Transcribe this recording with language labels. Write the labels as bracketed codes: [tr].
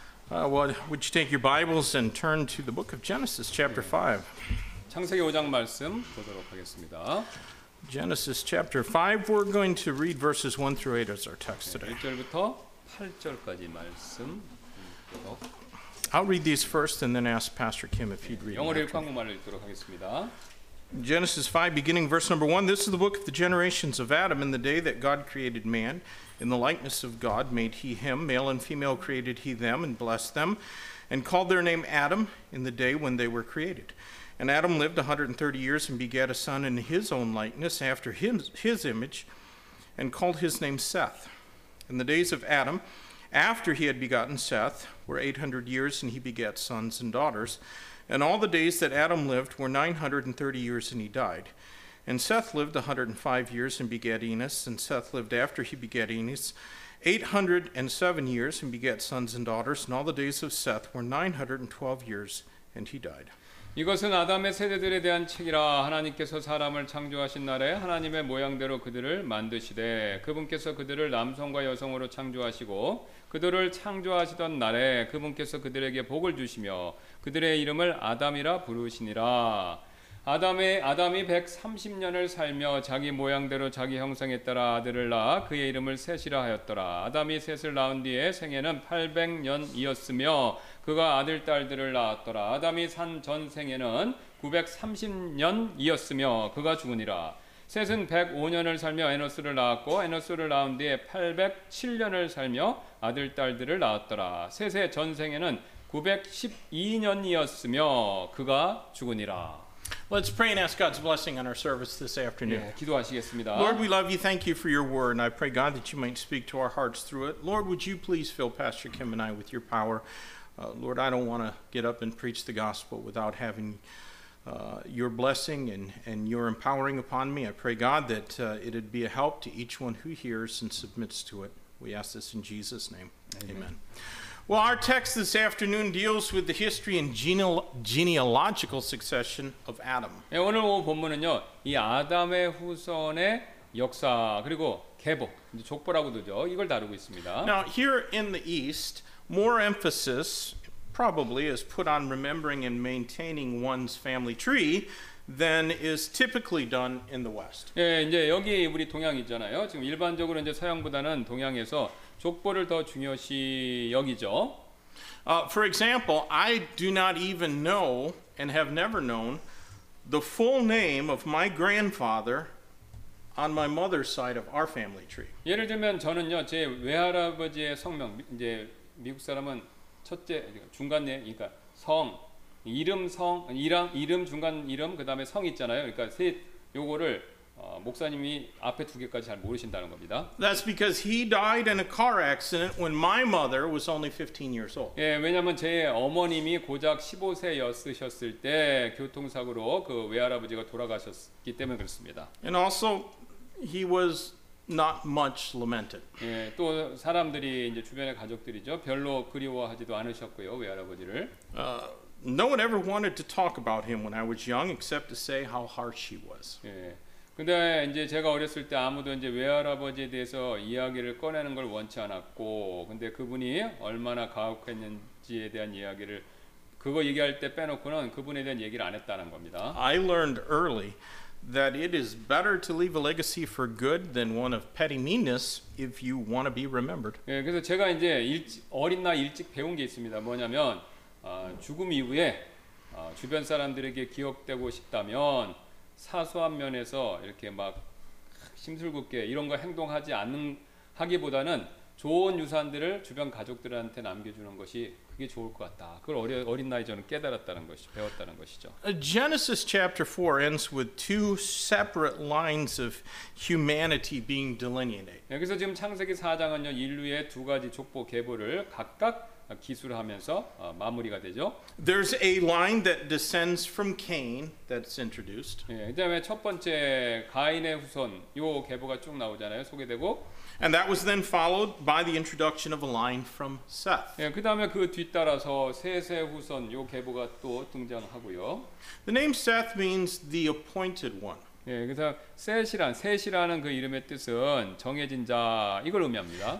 [en] Would you take your Bibles and turn to the book of Genesis, chapter 5? [ko] 창세기 5장 말씀 보도록 하겠습니다. [en] Genesis, chapter 5. We're going to read verses 1 through 8 as our text today. [ko] 1절부터 8절까지 말씀 보도록. [en] I'll read these first and then ask Pastor Kim if he'd read them. [ko] 영어로 읽고 한국말로 읽도록 하겠습니다. [en] Genesis 5, beginning verse number 1. This is the book of the generations of Adam. In the day that God created man, in the likeness of God made he him. Male and female created he them and blessed them, and called their name Adam in the day when they were created. And Adam lived 130 years and begat a son in his own likeness, after his image, and called his name Seth. And the days of Adam, after he had begotten Seth, were 800 years, and he begat sons and daughters. And all the days that Adam lived were 930 years, and he died. And Seth lived 105 years and begat Enos. And Seth lived, after he begat Enos, 807 years and begat sons and daughters. And all the days of Seth were 912 years, and he died. [ko] 이것은 아담의 세대들에 대한 책이라. 하나님께서 사람을 창조하신 날에 하나님의 모양대로 그들을 만드시되, 그분께서 그들을 남성과 여성으로 창조하시고 그들을 창조하시던 날에 그분께서 그들에게 복을 주시며 그들의 이름을 아담이라 부르시니라. 아담이 130년을 살며 자기 모양대로 자기 형상에 따라 아들을 낳아 그의 이름을 셋이라 하였더라. 아담이 셋을 낳은 뒤에 생애는 800년이었으며 그가 아들 딸들을 낳았더라. 아담이 산 전 생애는 930년이었으며 그가 죽으니라. 셋은 105년을 살며 에노스를 낳았고 에노스를 낳은 뒤에 807년을 살며 아들 딸들을 낳았더라. 셋의 전 생애는 912년이었으며 그가 죽으니라. [en] Let's pray and ask God's blessing on our service this afternoon. [ko] 예, 기도하시겠습니다. [en] Lord, we love you. Thank you for your word. And I pray, God, that you might speak to our hearts through it. Lord, would you please fill Pastor Kim and I with your power? Lord, I don't want to get up and preach the gospel without having your blessing and your empowering upon me. I pray, God, that it would be a help to each one who hears and submits to it. We ask this in Jesus' name. Amen. Amen. Well, our text this afternoon deals with the history and genealogical succession of Adam. [ko] 예, 오늘 본문은요, 이 아담의 후손의 역사 그리고 계복, 족보라고도죠, 이걸 다루고 있습니다. [en] Now, here in the East, more emphasis probably is put on remembering and maintaining one's family tree than is typically done in the West. [ko] 예, 이제 여기 우리 동양 있잖아요. 지금 일반적으로 이제 서양보다는 동양에서 족보를 더 중요시 여기죠. [en] For example, I do not even know and have never known the full name of my grandfather on my mother's side of our family tree. [ko] 예를 들면 저는요, 제 외할아버지의 성명, 이제 미국 사람은 첫째 중간네, 그러니까 성 이름 성 이랑 이름 중간 이름 그다음에 성 있잖아요. 그러니까 셋 요거를 목사님이 앞에 두 개까지 잘 모르신다는 겁니다. [en] That's because he died in a car accident when my mother was only 15 years old. [ko] 예, 왜냐면 제 어머님이 고작 15세였으셨을 때 교통사고로 그 외할아버지가 돌아가셨기 때문에 그렇습니다. [en] And also he was not much lamented. [ko] 예, 또 사람들이 이제 주변의 가족들이죠. 별로 그리워하지도 않으셨고요, 외할아버지를. [en] No one ever wanted to talk about him when I was young except to say how harsh he was. [ko] 예. 근데 이제 제가 어렸을 때 아무도 이제 외할아버지에 대해서 이야기를 꺼내는 걸 원치 않았고, 근데 그분이 얼마나 가혹했는지에 대한 이야기를 그거 얘기할 때 빼놓고는 그분에 대한 얘기를 안 했다는 겁니다. [en] I learned early that it is better to leave a legacy for good than one of petty meanness if you want to be remembered. [ko] 예, 그래서 제가 이제 어린 나이 일찍 배운 게 있습니다. 뭐냐면 죽음 이후에 주변 사람들에게 기억되고 싶다면 사소한 면에서 이렇게 막 심술궂게 이런 거 행동하지 않는 하기보다는 좋은 유산들을 주변 가족들한테 남겨주는 것이 그게 좋을 것 같다. 그걸 어린 나이 저는 깨달았다는 것이 배웠다는 것이죠. [en] Genesis chapter 4 ends with two separate lines of humanity being delineated. [ko] 여기서 지금 창세기 4장은요 인류의 두 가지 족보 계보를 각각 기술하면서 마무리가 되죠. [en] There's a line that descends from Cain that's introduced. [ko] 예, 그다음에 첫 번째 가인의 후손 요 계보가 쭉 나오잖아요. 소개되고. [en] And that was then followed by the introduction of a line from Seth. [ko] 예, 그다음에 그 뒤따라서 셋의 후손 요 계보가 또 등장하고요. [en] The name Seth means the appointed one. [ko] 예, 그래서 셋이라는 그 이름의 뜻은 정해진 자 이걸 의미합니다.